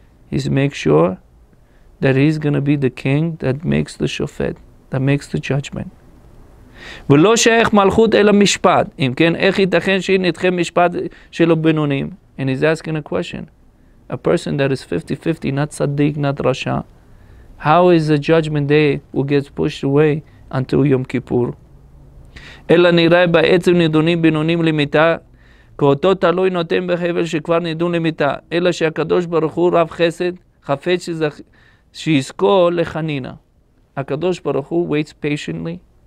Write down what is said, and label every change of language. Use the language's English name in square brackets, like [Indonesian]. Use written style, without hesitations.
[English] He makes sure that he's going to be the king that makes the shofet, that makes the judgment. [Hebrew] ולא שייך מלכות אלא משפט. אם כן, איך ייתכן שהיא נדחה משפט שלו בינונים? [English] And he's asking a question. A person that is 50-50, not tzaddik, not rasha. How is the judgment day who gets pushed away until Yom Kippur? [Hebrew] אלא נראה בעצם נדונים בינונים למיטה, כאותו תלוי נותן בחבל שכבר נדון למיטה. אלא שהקדוש ברוך הוא רב חסד, חפץ שיזכור לחנינה. הקדוש ברוך הוא [English] waits patiently.